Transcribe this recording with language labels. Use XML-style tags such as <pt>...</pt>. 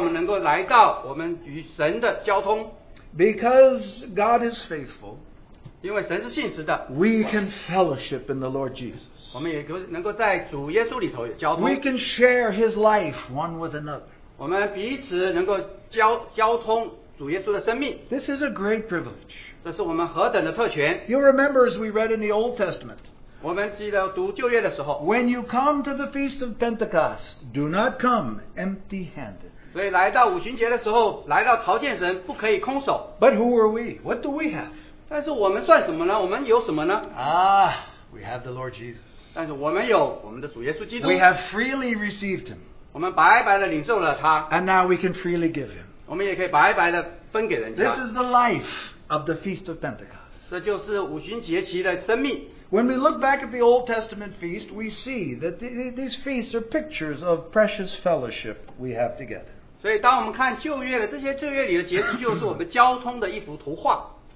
<zh>神是信实的，我们借着他，我们能够来到我们与神的交通。</zh> <en>Because God is faithful,</en> <zh>因为神是信实的,</zh> <en>we can fellowship in the Lord Jesus.</en> <zh>我们也能够在主耶稣里头交通,</zh> <en>we can share his life one with another.</en> <zh>我们彼此能够交通主耶稣的生命。</zh> <en>This is a great privilege.</en> <zh>这是我们何等的特权。</zh> <en>You remember as we read in the Old Testament,</en> <zh>我们记得读旧约的时候,</zh> <en>when you come to the Feast of Pentecost, do not come empty-handed.</en> <zh>所以来到五旬节的时候, 来到朝见神,</zh> <en>but who are we? What do we have?</en> <zh>但是我们算什么呢?我们有什么呢?</zh> <en>Ah, we have the Lord Jesus.</en> <zh>但是我们有我们的主耶稣基督。</zh> <en>We have freely received him.</en> <zh>我们白白地领受了他。</zh> <en>And now we can freely give him.</en> <zh>我们也可以白白地分给人家。</zh> <en>This is the life of the Feast of Pentecost.</en> <zh>这就是五旬节期的生命。</zh> <en>When we look back at the Old Testament feast, we see that these feasts are pictures of precious fellowship we have together.</en> <zh>所以当我们看旧约的这些旧约里的节期，就是我们交通的一幅图画。</zh>